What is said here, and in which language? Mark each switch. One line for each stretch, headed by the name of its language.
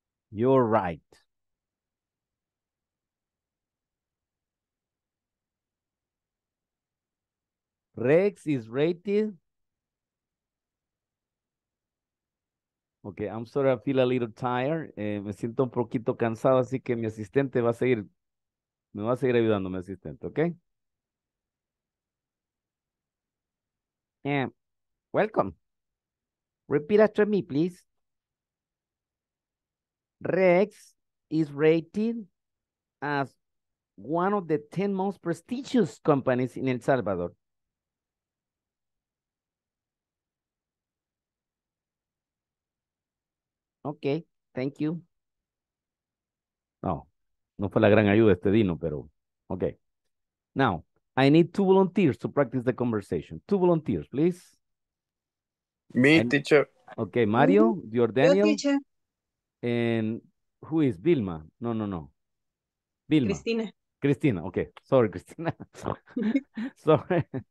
English: You're right. Rex is rated. Okay, I'm sorry, I feel a little tired.
Spanish: Me siento un poquito cansado, así que mi asistente va a seguir, me va a seguir ayudando mi asistente, okay?
English: Welcome. Repeat after me, please. Rex is rated as one of the 10 most prestigious companies in El Salvador. Okay, thank you.
Spanish: No, no fue la gran ayuda este Dino, pero okay.
English: Now, I need 2 volunteers to practice the conversation. 2 volunteers, please. Me, and, teacher. Okay, Mario, your Daniel. Yo, teacher. And who is Vilma? No, no, no. Vilma. Cristina. Cristina, okay. Sorry, Cristina. Sorry.